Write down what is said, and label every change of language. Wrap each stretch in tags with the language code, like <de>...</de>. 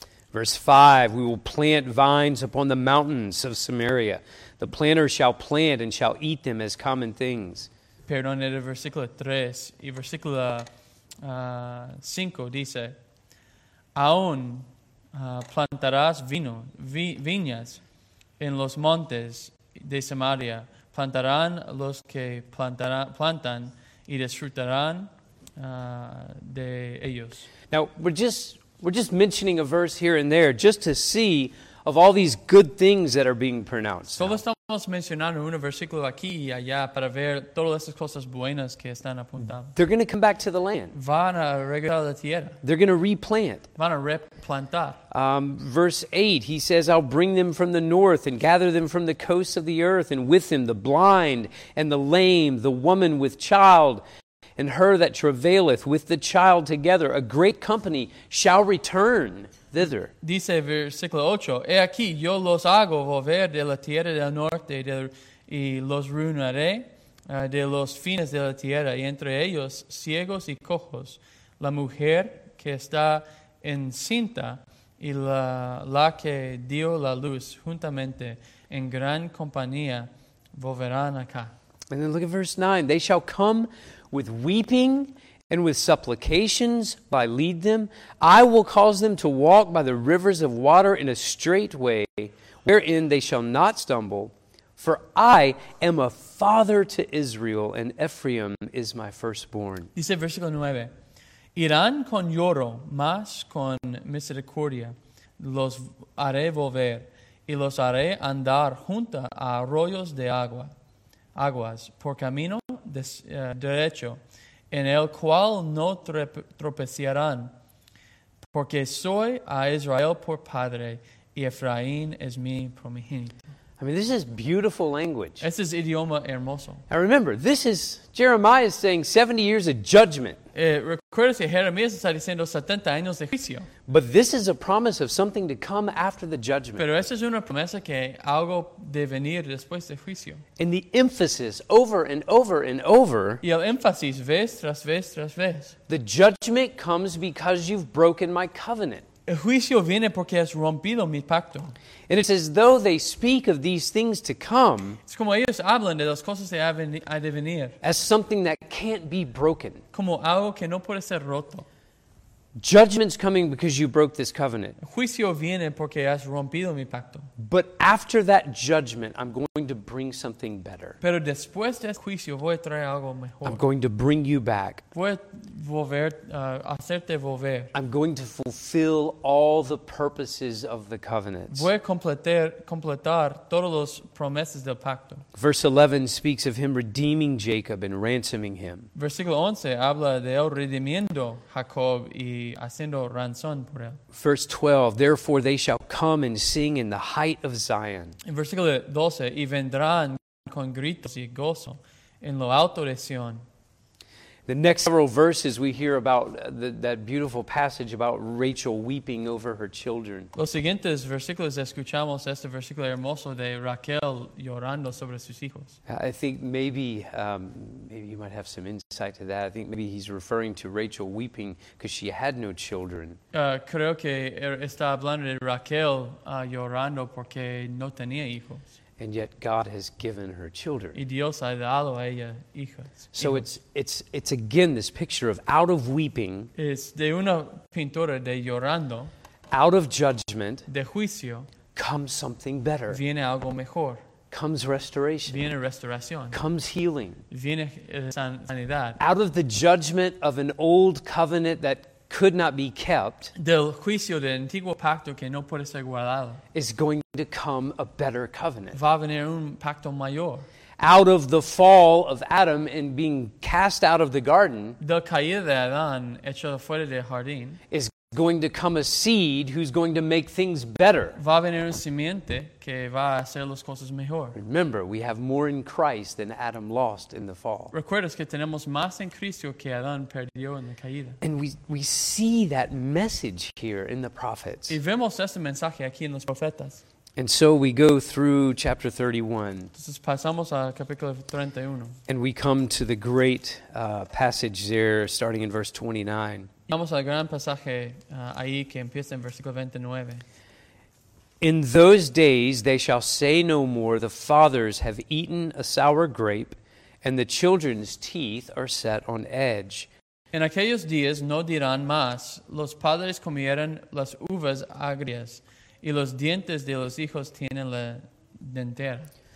<en>Verse 5, we will plant vines upon the mountains of Samaria. The planter shall plant and shall eat them as common things.</en> <es>Perdón, en el versículo 3 y versículo 5 dice, aún plantarás viñas en los montes de Samaria. Plantarán los que plantan y disfrutarán de ellos.</es> <en>Now, we're just mentioning a verse here and there just to see of all these good things that are being pronounced.</en> <es>Solo estamos mencionando un versículo aquí y allá para ver todas estas cosas buenas que están apuntando.</es> <en>They're going to come back to the land.</en> <es>Van a regresar a la tierra.</es> <en>They're going to replant.</en> <es>Van a replantar.</es> <en>Verse 8, he says, I'll bring them from the north and gather them from the coasts of the earth, and with them the blind and the lame, the woman with child, and her that travaileth with the child together, a great company shall return thither.</en> <es>Dice versículo 8, he aquí, yo los hago volver de la tierra del norte y los reuniré de los fines de la tierra, y entre ellos ciegos y cojos, la mujer que está encinta y la que dio la luz juntamente en gran compañía volverán acá.</es> <en>And then look at verse 9, they shall come with weeping and with supplications by lead them. I will cause them to walk by the rivers of water in a straight way, wherein they shall not stumble. For I am a father to Israel, and Ephraim is my firstborn.</en> <es>Dice versículo 9. Irán con lloro, mas con misericordia. Los haré volver, y los haré andar junto a arroyos de aguas, por camino derecho, en el cual no tropezarán, porque soy a Israel por padre, y Efraín es mi primogénito.</es> <en>I mean, this is beautiful language.</en> <es>Este es idioma hermoso.</es> <en>I remember, this is Jeremiah saying 70 years of judgment.</en> <es>Recuérdese, Jeremías está diciendo 70 años de juicio.</es> <en>But this is a promise of something to come after the judgment.</en> <es>Pero esta es una promesa que algo de venir después de juicio.</es> <en>And the emphasis over and over and over.</en> <es>Y el énfasis vez tras vez tras vez.</es> <en>The judgment comes because you've broken my covenant.</en> <es>El juicio viene porque has rompido mi pacto.</es> <en>And it's as though they speak of these things to come.</en> <es>Es como ellos hablan de las cosas que han de venir.</es> <en>As something that can't be broken.</en> <es>Como algo que no puede ser roto.</es> <en>Judgment's coming because you broke this covenant.</en> <es>El juicio viene porque has rompido mi pacto.</es> <en>But after that judgment, I'm going to bring something better.</en> <es>Pero después de ese juicio, voy a traer algo mejor.</es> <en>I'm going to bring you back.</en> <es>Voy a volver, hacerte volver.</es> <en>I'm going to fulfill all the purposes of the covenant.</en> <es>Voy a completar todos los promesas del pacto.</es> <en>Verse 11 speaks of him redeeming Jacob and ransoming him.</en> <es>Versículo 11 habla de él redimiendo Jacob y haciendo ransom por él.</es> <en>Verse 12, therefore they shall come and sing in the height of Zion.</en> <es>En versículo 12, y vendrán con gritos y gozo en lo alto de Sion.</es> <en>The next several verses we hear about that beautiful passage about Rachel weeping over her children.</en> <es>Los siguientes versículos escuchamos este versículo hermoso de Raquel llorando sobre sus hijos.</es> <en>I think maybe you might have some insight to that. I think maybe he's referring to Rachel weeping because she had no children.</en> <es>Creo que está hablando de Raquel llorando porque no tenía hijos.</es> <en>And yet God has given her children.</en> <es>Y Dios ha dado a ella hijos.</es> <en>So it's again this picture of out of weeping.</en> <es>Es de una pintura de llorando.</es> <en>Out of judgment.</en> <es>De juicio.</es> <en>Comes something better.</en> <es>Viene algo mejor.</es> <en>Comes restoration.</en> <es>Viene restauración.</es> <en>Comes healing.</en> <es>Viene sanidad.</es> <en>Out of the judgment of an old covenant that could not be kept.</en> <es>Del juicio del antiguo pacto que no puede ser guardado.</es> <en>Is going to come a better covenant.</en> <es>Va a venir un pacto mayor.</es> <en>Out of the fall of Adam and being cast out of the garden.</en> <es>Del caída de Adán hecho fuera del jardín.</es> <en>Is going to come a seed who's going to make things better.</en> <es>Va a venir un simiente que va a hacer las cosas mejor.</es> <en>Remember, we have more in Christ than Adam lost in the fall.</en> <es>Recuerdas que tenemos más en Cristo que Adán perdió en la caída.</es> <en>And we see that message here in the prophets.</en> <es>Y vemos este mensaje aquí en los profetas.</es> <en>And so we go through chapter 31.</en> <es>Entonces pasamos al capítulo 31.</es> <en>And we come to the great passage there, starting in verse 29.</en> <es>Vamos al gran pasaje ahí que empieza en versículo 29.</es> <en>In those days they shall say no more, the fathers have eaten a sour grape, and the children's teeth are set on edge.</en> <es>En aquellos días no dirán más, los padres comieron las uvas agrias, y los dientes de los hijos tienen la dentera.</es>